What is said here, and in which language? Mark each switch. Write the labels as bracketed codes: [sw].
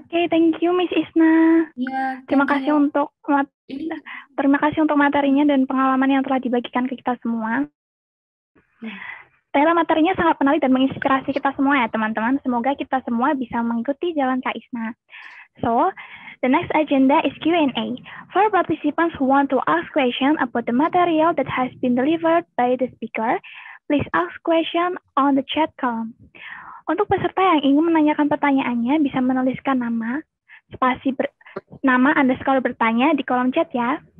[en] Oke, thank you Miss Isna. [id] Iya. Terima kasih untuk terima kasih untuk materinya dan pengalaman yang telah dibagikan ke kita semua. Ternyata materinya sangat menarik dan menginspirasi kita semua ya teman-teman. Semoga kita semua bisa mengikuti jalan Kak Isna. [en] So, the next agenda is Q&A. For participants who want to ask questions about the material that has been delivered by the speaker, please ask question on the chat column. [id] Untuk peserta yang ingin menanyakan pertanyaannya, bisa menuliskan nama, spasi nama underscore bertanya di kolom chat ya.